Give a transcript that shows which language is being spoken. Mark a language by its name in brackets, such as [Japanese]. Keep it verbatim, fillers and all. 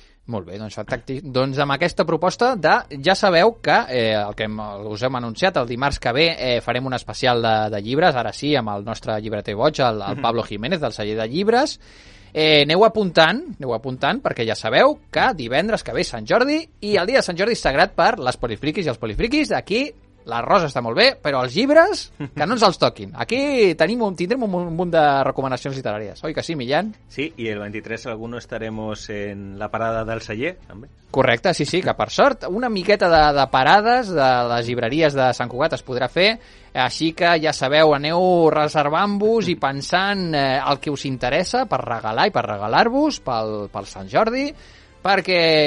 [Catalan] Molt bé, doncs fantàstic. Doncs amb aquesta proposta de... Ja sabeu que eh, el que us hem anunciat el dimarts que ve eh, farem un especial de, de llibres, ara sí, amb el nostre llibreter boig, el, el Pablo Jiménez, del celler de llibres. Eh, aneu apuntant, aneu apuntant, perquè ja sabeu que divendres que ve Sant Jordi, i el dia de Sant Jordi és sagrat per les polifriquis i els polifriquis. Aquí la rosa està molt bé, però els llibres, que no ens els toquin. Aquí tenim un, tindrem un, un munt de recomanacions literàries. Oi que sí, Millán? [Spanish] Sí, y el veintitrés alguno estaremos en la parada del celler, també. [Catalan] Correcte, sí, sí, que per sort una miqueta de, de parades de les llibreries de Sant Cugat es podrà fer, així que ja sabeu, aneu reservant-vos i pensant eh, el que us interessa per regalar i per regalar-vos pel, pel Sant Jordi, perquè...